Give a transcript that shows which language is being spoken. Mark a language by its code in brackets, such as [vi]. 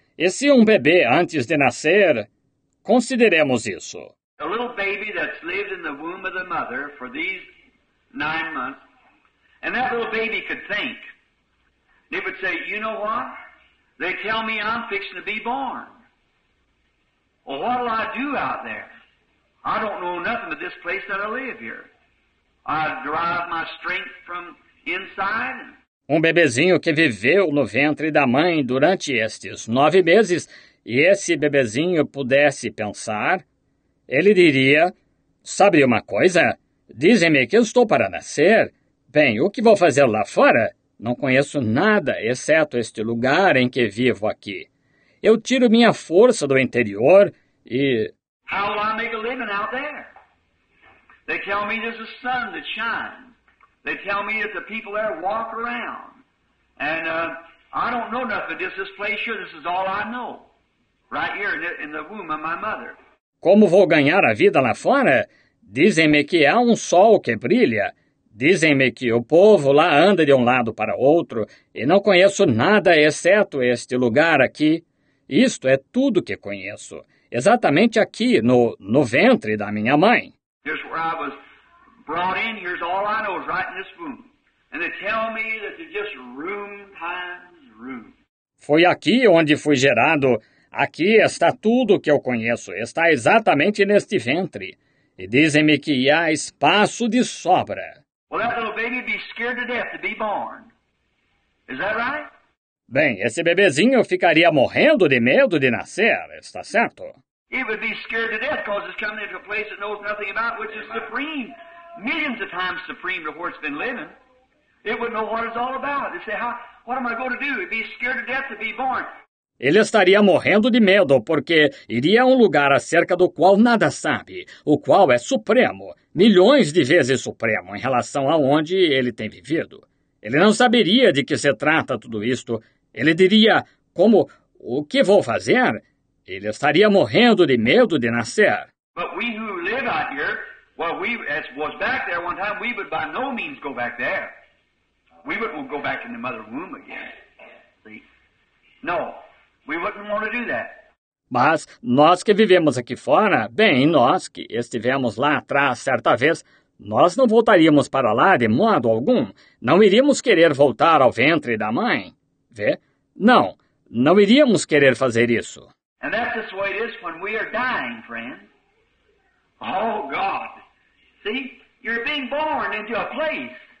[pt] E se um bebê antes de nascer... Consideremos isso. [en] A little baby that's lived in the womb of the mother for these 9 months, and that little baby could think. They would say, you know what? They tell me I'm fixing to be born. Well, what'll I do out there? I don't know nothing but this place that I live here. I derive my strength from inside. [pt] Um bebezinho que viveu no ventre da mãe durante estes 9 meses... E esse bebezinho pudesse pensar, ele diria, sabe uma coisa? Dizem-me que eu estou para nascer. Bem, o que vou fazer lá fora? Não conheço nada, exceto este lugar em que vivo aqui. Eu tiro minha força do interior e... [en] How will I make a living out there? They tell me there's a sun that shines. They tell me that the people there walk around. And I don't know nothing. Just this place here, this is all I know. Right here in the womb of my mother. [pt] Como vou ganhar a vida lá fora? Dizem-me que há um sol que brilha. Dizem-me que o povo lá anda de um lado para outro e não conheço nada exceto este lugar aqui. Isto é tudo que conheço, exatamente aqui no ventre da minha mãe. [en] Here's where I was brought in. Here's all I know, right in this room. And they tell me that it's just room times room. [pt] Foi aqui onde fui gerado. Aqui está tudo que eu conheço. Está exatamente neste ventre. E dizem-me que há espaço de sobra. [en] Well, that little baby be scared to death to be born. Is that right? [pt] Bem, esse bebezinho ficaria morrendo de medo de nascer, está certo? [en] He would be scared to death because it's coming into a place it knows nothing about, which is supreme. Millions of times supreme to where it's been living. It would know what it's all about. It'd say, what am I going to do? It'd be scared to death to be born. [pt] Ele estaria morrendo de medo, porque iria a um lugar acerca do qual nada sabe, o qual é supremo, milhões de vezes supremo em relação a onde ele tem vivido. Ele não saberia de que se trata tudo isto. Ele diria, como, o que vou fazer? Ele estaria morrendo de medo de nascer. [en] But we who live out here, well, we, as was back there one time, we would by no means go back there. We wouldn't go back in the mother womb again. See? No. We wouldn't want to do that. [pt] Mas nós que vivemos aqui fora, bem, nós que estivemos lá atrás certa vez, nós não voltaríamos para lá de modo algum. Não iríamos querer voltar ao ventre da mãe. Vê? Não, não iríamos querer fazer isso. [en] And that's just the way it is when we are dying, friend. Oh, God. See, you're being born into a place.